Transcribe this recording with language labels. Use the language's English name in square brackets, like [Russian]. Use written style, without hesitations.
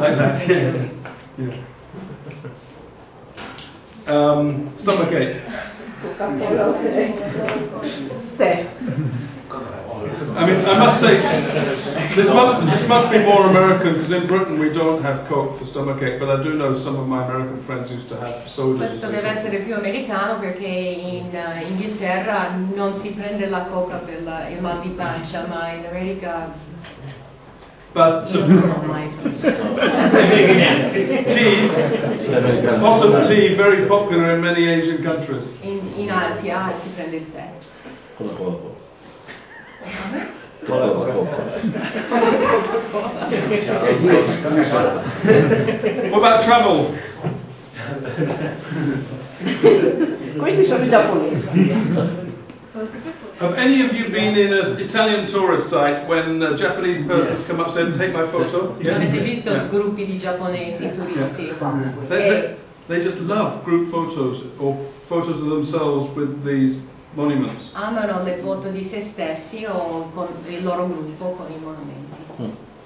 [English] Like that, yeah. Stomachache. I mean, I must say, this must be more American because in Britain we don't have Coke for stomachache. But I do know some of my American friends used to have soda. [Italian] Questo deve essere più americano perché in Inghilterra non si prende la coca per il mal di pancia, ma in America [English] But tea, very popular in many Asian countries. [Italian] In Asia, si prende il tè. [English] What about travel? [Italian] Questi sono giapponesi. [English] Have any of you been in an Italian tourist site when a Japanese person has come up and said, take my photo? [Italian] Avete visto gruppi di giapponesi turisti? [English] They just love group photos or photos of themselves with these monuments. [Italian] Amano le foto di se stessi o con il loro gruppo con i monumenti.